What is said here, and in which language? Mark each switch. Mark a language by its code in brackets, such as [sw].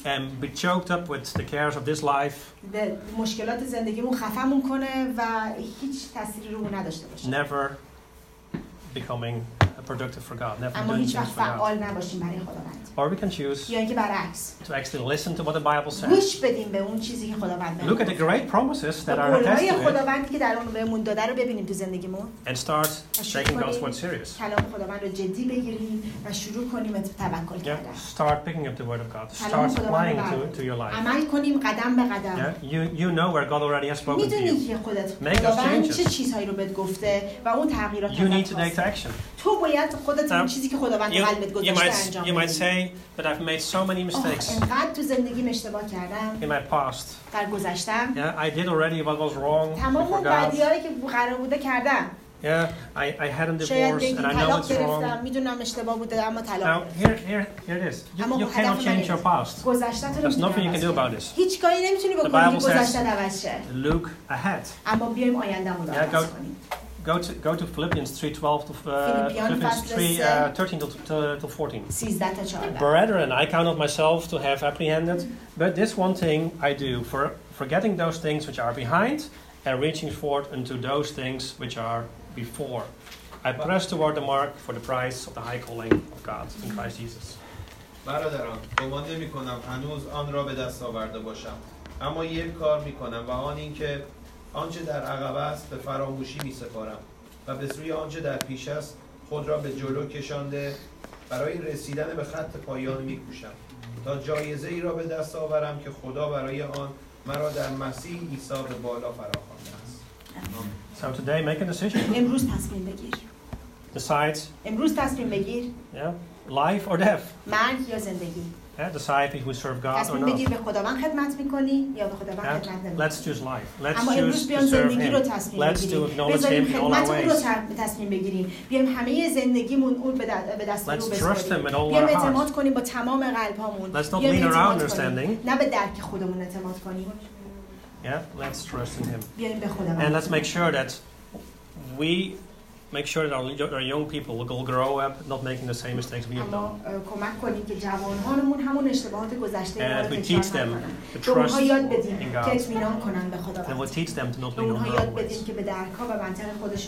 [en] And be choked up with the cares of this life. [fa] مشکلات زندگیمون خفه‌مون کنه و هیچ تأثیری رو نداشته باشه. [en] Never becoming productive for God. Never doing things for God. [fa] فعال نباشیم برای خداوند. [en] Or we can choose to actually listen to what the Bible says. [fa] گوش بدیم به اون چیزی که خداوند میگه. [en] Look at the great promises that are attested. [fa] به خداوندی که در اون بهمون داده رو ببینیم تو زندگیمون. [en] And start taking God's word serious. [fa] کلام خداوند رو جدی بگیریم و شروع کنیم به توکل کردن. [en] Start picking up the word of God. Start applying to your life. [fa] عمل کنیم قدم به قدم. [en] You know where God already has spoken to you. [fa] میدونی که خودت خداوند چه چیزهایی رو بهت گفته و اون تغییرات رو. [en] You need to take action. [fa] تو باید خودت اون چیزی که خداوند به قلبت گذاشته انجام بدی. [en] You might say but I've made so many mistakes. [fa] انقدر تو زندگیم اشتباه کردم. [en] In my past. [fa] در گذشتم. [en] Yeah, I did already what was wrong. [fa] تمام بدیایی که قرار بوده کردم. [en] Yeah, I had a divorce and I know it's wrong. [fa] میدونم اشتباه بوده اما طلاق. [en] Now here it is. You cannot change your past. [fa] گذشته‌ت رو. [en] There's nothing you can do about this. [fa] هیچ کاری نمیتونی بکنی که گذشته عوض شه. [en] Look ahead. [fa] اما بیایم آینده‌مون رو عوض کنیم. [en] Go to Philippians 3:12 to Philippians 3:13 to 14. Brethren, I count not myself to have apprehended, but this one thing I do: for forgetting those things which are behind and reaching forth unto those things which are before, I press toward the mark for the prize of the high calling of God in Christ Jesus. [fa] برادران، گمان نمی‌کنم هنوز آن را به دست آورده باشم، اما یک کار می‌کنم و آن این که آنچه در عقب است به فراموشی می سپارم و به سوی آنچه در پیش است خود را به جلو کشانده برای رسیدن به خط پایان می کوشم تا جایزه ای را به دست آورم که خدا برای آن مرا در مسیح عیسی به بالا فراخوانده است. [en] So today make a decision. [fa] امروز تصمیم بگیر. [en] Decide. [fa] امروز تصمیم بگیر. [en] Yeah. Life or death. [fa] مرگ یا زندگی. [en] Yeah, decide if we serve God or not. [fa] تصمیم بگیر به خداوند خدمت میکنی یا به خداوند خدمت نمیکنی. [en] Let's choose life. Let's choose to serve him. Let's do acknowledge him in all our ways. [fa] بذاریم خدمت رو تصمیم بگیریم. بیایم همه زندگیمون اون به دست رو بسپاریم. [en] Let's trust him in all our hearts. [fa] بیایم اعتماد کنیم با تمام قلبمون. [en] Let's not lean on our understanding. [fa] نه به درک خودمون اعتماد کنیم. [en] Yeah, let's trust in him. [fa] بیایم به خداوند. [en] And let's make sure that we make sure that our young people will grow up not making the same mistakes we have done. And we teach them to trust in God. And we teach them to not lean on their own ways.